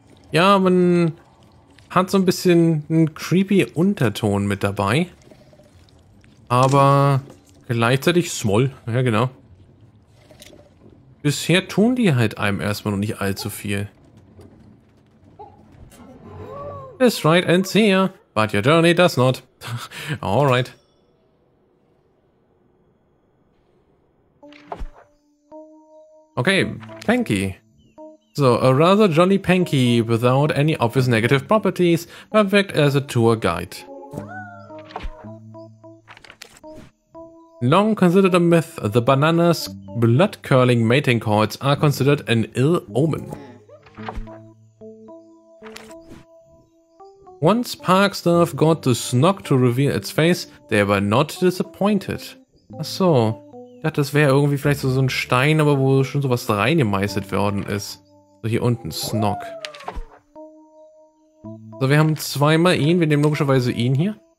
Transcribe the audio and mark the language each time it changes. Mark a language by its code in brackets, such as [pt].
[de] Ja, man hat so ein bisschen einen creepy Unterton mit dabei. Aber gleichzeitig Small. Ja, genau. Bisher tun die halt einem erstmal noch nicht allzu viel. [en] This ride ends here, but your journey does not. Alright. Okay, Panky. So, a rather jolly Panky without any obvious negative properties, perfect as a tour guide. Long considered a myth, the banana's blood-curling mating calls are considered an ill omen. Once Parkstaff got the snog to reveal its face, they were not disappointed. [de] Ach so, ich dachte, das wäre irgendwie vielleicht so ein Stein, aber wo schon sowas reingemeißelt worden ist. So, hier unten, Snog. So, wir haben zweimal ihn, wir nehmen logischerweise ihn hier.